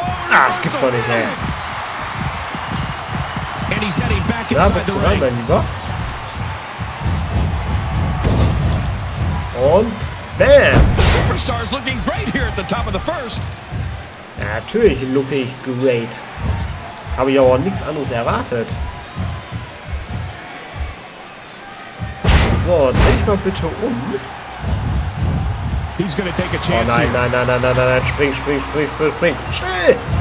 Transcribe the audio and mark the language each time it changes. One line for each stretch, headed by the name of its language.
German: Ah, das gibt's doch nicht, ey. Ja, bist du rein, mein Lieber. Und bam!
English: Superstar is looking great here at the top of the first.
German: Natürlich look ich great. Habe ich aber nichts anderes erwartet. So, dreh ich mal bitte um.
English: He's gonna take a chance.
German: Oh nein, nein, nein, nein, nein, nein, nein, spring, spring, spring, spring, spring. Schnell!